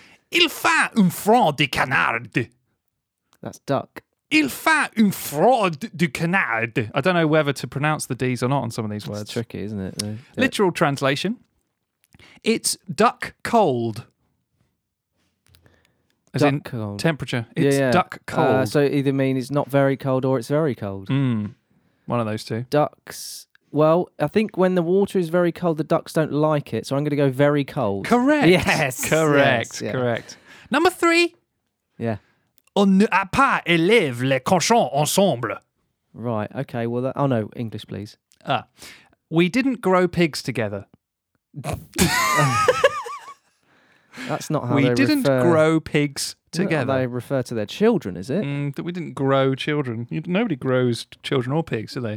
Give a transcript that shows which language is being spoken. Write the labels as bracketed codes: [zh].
[fr] Il fait un froid de canard. [en] That's duck. [fr] Il fait un froid de canard. [en] I don't know whether to pronounce the D's or not on some of these words. It's tricky, isn't it? Literal translation. It's duck cold. As duck in cold. Temperature. It's duck cold. So either mean it's not very cold or it's very cold. Mm. One of those two. Ducks... Well, I think when the water is very cold, the ducks don't like it. So I'm going to go very cold. Correct. Yes. Correct. Yes. Correct. Number three. Yeah. [fr] On ne a pas élevé les cochons ensemble. [en] Right, okay. Well, that, oh no, English, please. We didn't grow pigs together. That's not how we they didn't refer... grow pigs together. They refer to their children, is it? That we didn't grow children. Nobody grows children or pigs, do they?